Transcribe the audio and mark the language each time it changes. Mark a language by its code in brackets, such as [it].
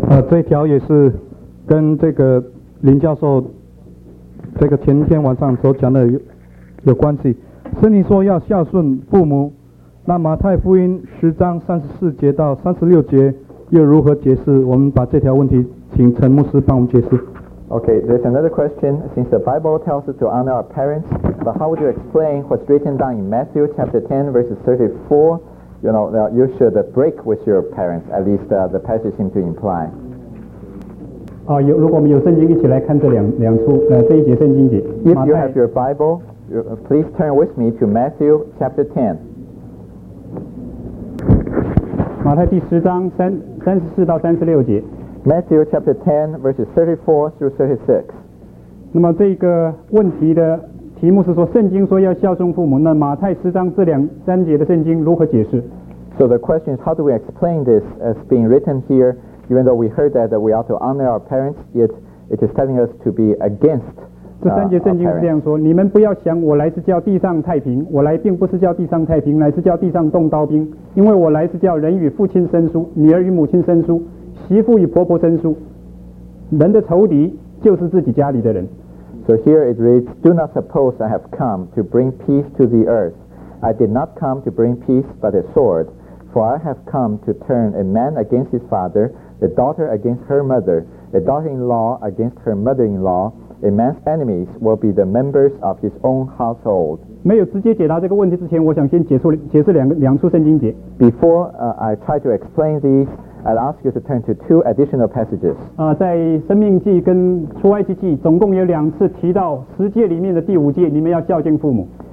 [zh] 这条也是跟这个林教授这个前天晚上所讲的 有关系。圣经说要孝顺父母，那马太福音十章三十四节到三十六节又如何解释？我们把这条问题请陈牧师帮我们解释。 [en] Okay, there's another question. Since the Bible tells us to honor our parents, but how would you explain what's written down in Matthew chapter 10 verses 34? You know, that you should break with your parents. At least the passage seems to imply. [zh] 如果我们有圣经，一起来看这两处这一节圣经节。 [en] If you have your Bible, please turn with me to Matthew chapter 10. [zh] 马太第十章三十四到三十六节。 [en] Matthew chapter 10 verses 34 through 36. [zh] 那么这个问题的题目是说，圣经说要孝顺父母，那马太十章这两三节的圣经如何解释？ [en] So the question is, how do we explain this as being written here? Even though we heard that we ought to honor our parents, yet it is telling us to be against our parents. [zh] 这三节圣经是这样说：你们不要想我来是叫地上太平，我来并不是叫地上太平，乃是叫地上动刀兵。因为我来是叫人与父亲生疏，女儿与母亲生疏，媳妇与婆婆生疏。人的仇敌就是自己家里的人。 [en] So here it reads, Do not suppose I have come to bring peace to the earth. I did not come to bring peace but a sword. For I have come to turn a man against his father, a daughter against her mother, a daughter-in-law against her mother-in-law. A man's enemies will be the members of his own household. [zh] 没有直接解答这个问题之前，我想先解释两处圣经节。 [en] Before I try to explain these, I'll ask you to turn to two additional passages. [zh] 在生命记跟出埃及记总共有两次提到十诫里面的第五诫，你们要孝敬父母。